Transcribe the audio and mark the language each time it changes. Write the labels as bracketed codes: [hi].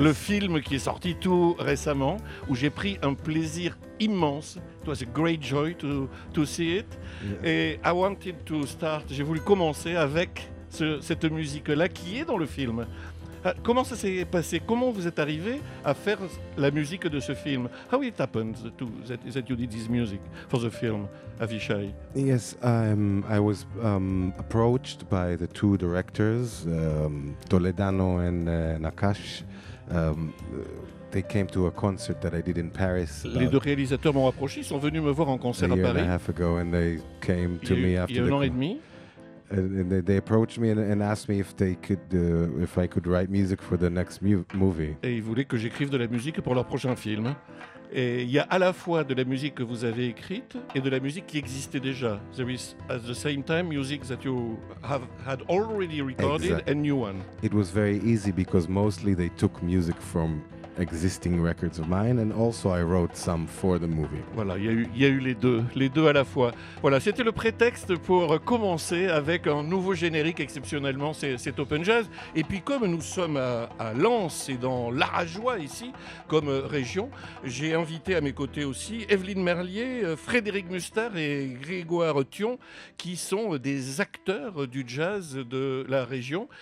[fr] Le film qui est sorti tout récemment, où j'ai pris un plaisir immense. [en] It was a great joy to see it. [fr] Yeah. Et [en] I wanted to start, [fr] j'ai voulu commencer avec cette musique-là qui est dans le film. Comment ça s'est passé? Comment vous êtes arrivé à faire la musique de ce film? [en] How it happened to that you did this music for the film, Avishai? Yes, I was approached by the two directors, Toledano and Nakash. They came to a concert that I did in Paris. [fr] Les deux réalisateurs m'ont approché, ils sont venus me voir en concert à Paris. [en] A year and a half ago, and they came to me after. [fr] Il y a un an et demi. [en] And they approached me and asked me if they could if I could write music for the next movie. [fr] Et ils voulaient que j'écrive de la musique pour leur prochain film. Et il y a à la fois de la musique que vous avez écrite et de la musique qui existait déjà. [en] There is at the same time music that you have had already recorded. Exactly. And new one. It was very easy because mostly they took music from existing records of mine, and also I wrote some for the movie. [fr] Voilà, il y a eu les deux à la fois. Voilà, c'était le prétexte pour commencer avec un nouveau générique exceptionnellement, c'est Open Jazz. Et puis comme nous sommes à Lens et dans l'Arrajois ici, comme région, j'ai invité à mes côtés aussi Evelyne Merlier, Frédéric Mustard et Grégoire Thion, qui sont des acteurs du jazz de la région.